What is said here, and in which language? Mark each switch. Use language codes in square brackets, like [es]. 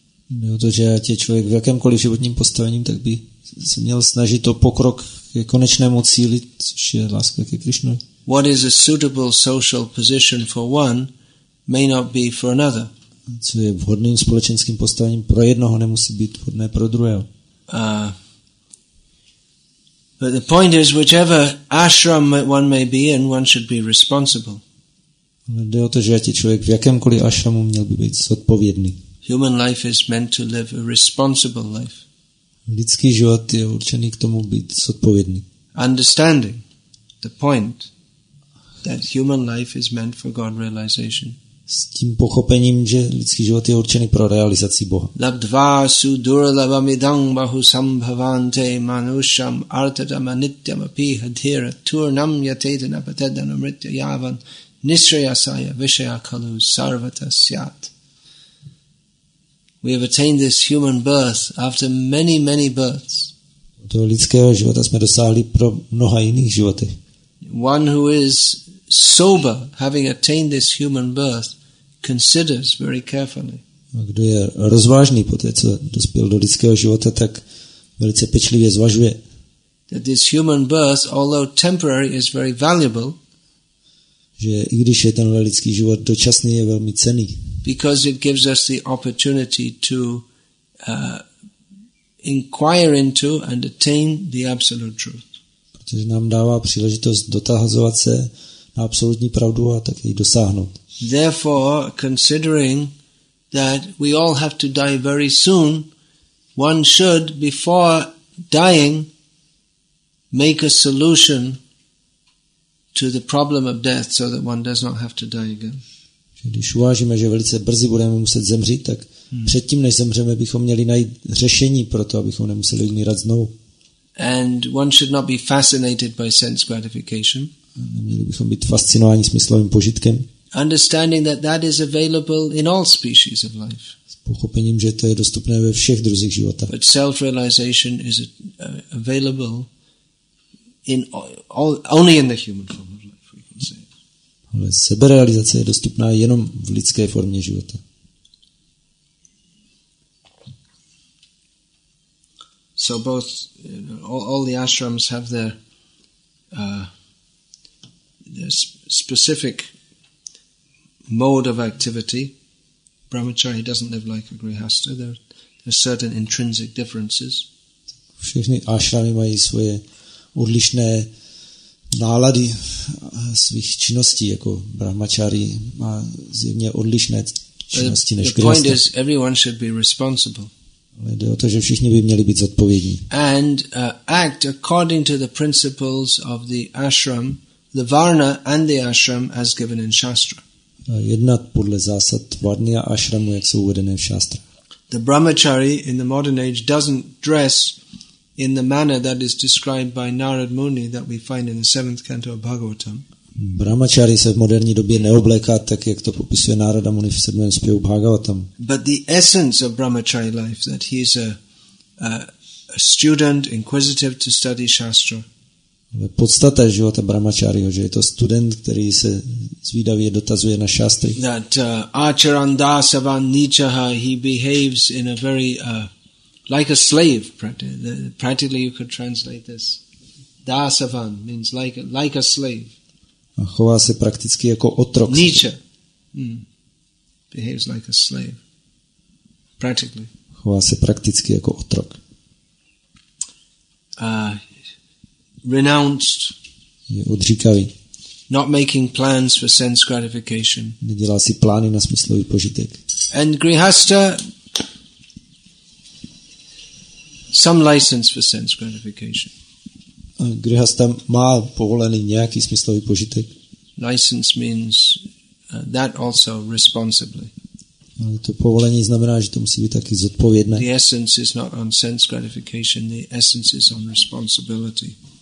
[cs] No, to, že ať je člověk v jakémkoliv životním postavení, tak by se měl snažit o pokrok ke konečnému cíli, což je láska ke Krishna. [en] What is a suitable social position for one may not be for another. [cs] Co je vhodným společenským postavením pro jednoho, nemusí být vhodné pro druhého. [en] But the point is, whichever ashram one may be in, one should be responsible. [cs] Ale jde o to, že ať je člověk v jakémkoliv ashramu, měl by být zodpovědný. [en] Human life is meant to live a responsible life. [cs] Lidský život je určený k tomu být zodpovědný. [en] Understanding the point that human life is meant for God realization. [cs] S tím pochopením, že lidský život je určený pro realizaci Boha. [sa] Labdva su duralabam idam bahu sambhavante manusham artadam anityam api hadhira turnam yatedana patedana mritya yavan Nisrayasaya Vishayakalu Sarvata Syat. [en] We have attained this human birth after many, many births. [cs] Do lidského života jsme dosáhli pro mnoha jiných životy. [en] One who is sober, having attained this human birth, considers very carefully. [cs] Kdo je rozvážný po té, co dospěl do lidského života, tak velice pečlivě zvažuje. [en] That this human birth, although temporary, is very valuable. [cs] Že i když je ten lidský život dočasný, je velmi cenný. [en] Because it gives us the opportunity to inquire into and attain the absolute truth. [cs] Protože nám dává příležitost dotahovat se na absolutní pravdu a tak ji dosáhnout. [en] Therefore, considering that we all have to die very soon, one should, before dying, make a solution to the problem of death so that one does not have to die again. [cs] Když uvážíme, že velice brzy budeme muset zemřít, tak předtím, než zemřeme, bychom měli najít řešení pro to, abychom nemuseli umírat znovu. [en] And one should not be fascinated by sense gratification. [cs] Neměli bychom být fascinováni smyslovým požitkem. [en] Understanding that that is available in all species of life. [cs] S pochopením, že to je dostupné ve všech druzích života. [en] But self-realization is available in all, only in the human form. [cs] Ale seberealizace je dostupná jenom v lidské formě života. [en] So both, you know, all the ashrams have their specific mode of activity. Brahmachari doesn't live like a grihastha. There are certain intrinsic differences. [cs] Všechny ashramy mají svoje odlišné nálady svých činností jako brahmačáry má zjevně odlišné činnosti než [en] grihastha. The point is, everyone should be responsible. [cs] Ale jde o to, že všichni by měli být zodpovědní. [en] And act according to the principles of the ashram, the varna and the ashram as given in shastra. [cs] A jednat podle zásad varny a ashramu, jak jsou uvedené v šastra. [en] The brahmachari in the modern age doesn't dress in the manner that is described by Narad Muni that we find in the 7th canto of Bhagavatam. [cs] Brahmachari se v moderní době neobléká tak, jak to popisuje Narada Muni v 7. zpěvu Bhagavatam. [en] But the essence of brahmachari life, that he is a student inquisitive to study shastra. [cs] Ale podstata života brahmachariho, že je to student, který se zvídavě dotazuje na šastry. [en] That [sa] acharandasavan nichaha, [en] he behaves in a very like a slave, practically you could translate this. Dasavan means like a slave. [cs] A chová se prakticky jako otrok. [en] Nietzsche. Behaves like a slave. Practically. [cs] Chová se prakticky jako otrok. [en] Renounced. [cs] Je odříkavý. [en] Not making plans for sense gratification. [cs] Nedělá si plány na smyslový požitek. [en] And grihastha, some license for sense gratification. [cs] Grihastha má povolený nějaký smyslový požitek. [en] License means that also responsibly. [cs] To povolení znamená, že to musí být taky zodpovědné. [en] The essence is not on sense gratification, the essence is on responsibility.